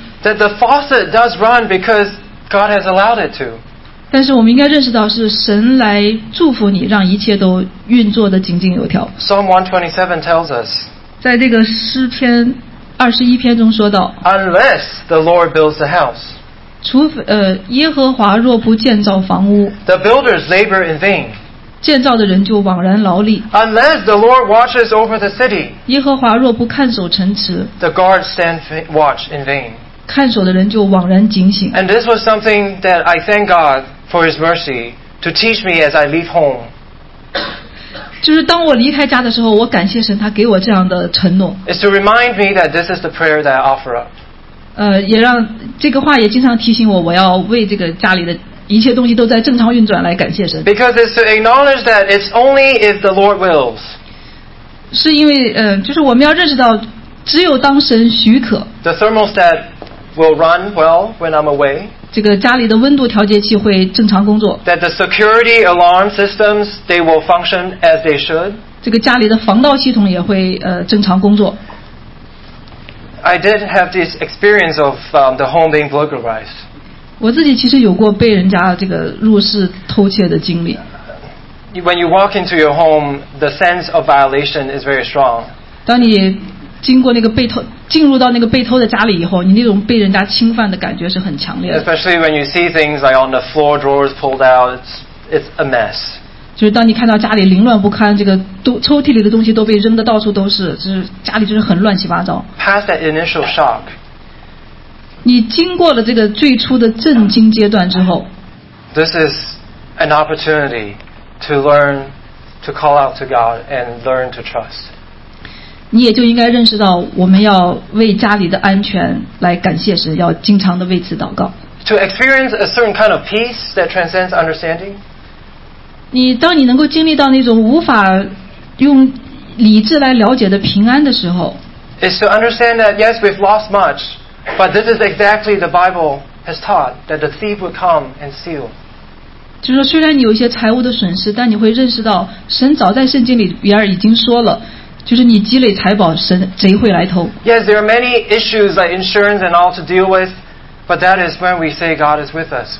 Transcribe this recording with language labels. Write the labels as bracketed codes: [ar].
[en] That the faucet does run because God has allowed it to. [zh] 但是我们应该认识到是神来祝福你，让一切都运作得井井有条。 [en] Psalm 127 tells us, [zh] 在这个诗篇二十一篇中说到， [en] Unless the Lord builds the house, [zh] 除非耶和华若不建造房屋， [en] The builders labor in vain, [zh] 建造的人就枉然劳力。 [en] Unless the Lord watches over the city, [zh] 耶和华若不看守城池， [en] The guards stand watch in vain, [zh] 看守的人就枉然警醒。 [en] And this was something that I thank God for His mercy to teach me as I leave home. [zh] 就是当我离开家的时候，我感谢神，他给我这样的承诺。 [en] It's to remind me that this is the prayer that I offer up. [zh] 也让这个话也经常提醒我，我要为这个家里的一切东西都在正常运转来感谢神。 [en] Because it's to acknowledge that it's only if the Lord wills. [zh] 是因为就是我们要认识到只有当神许可。 [en] The thermostat will run well when I'm away. [zh] 这个家里的温度调节器会正常工作。 [en] That the security alarm systems, they will function as they should. [zh] 这个家里的防盗系统也会正常工作。 [en] I did have this experience of the home being burglarized. [zh] 我自己其实有过被人家这个入室偷窃的经历。 [en] When you walk into your home, the sense of violation is very strong. [zh] 当你经过那个被偷，进入到那个被偷的家里以后，你那种被人家侵犯的感觉是很强烈的。 [en] Especially when you see things like on the floor, drawers pulled out, it's a mess. [zh] 就是当你看到家里凌乱不堪，这个抽屉里的东西都被扔得到处都是，就是家里就是很乱七八糟。 [en] Past that initial shock. [zh] 你经过了这个最初的震惊阶段之后 [en] ，This is an opportunity to learn to call out to God and learn to trust. [zh] 你也就应该认识到，我们要为家里的安全来感谢神，要经常的为此祷告。 [en] To experience a certain kind of peace that transcends understanding. [zh] 你当你能够经历到那种无法用理智来了解的平安的时候 [en] ，is to understand that yes, we've lost much, but this is exactly the Bible has taught that the thief would come and steal. [zh] 就是虽然你有一些财务的损失，但你会认识到，神早在圣经里边已经说了。就是你积累财宝，神贼会来偷。 [en] Yes, there are many issues like insurance and all to deal with, but that is when we say God is with us.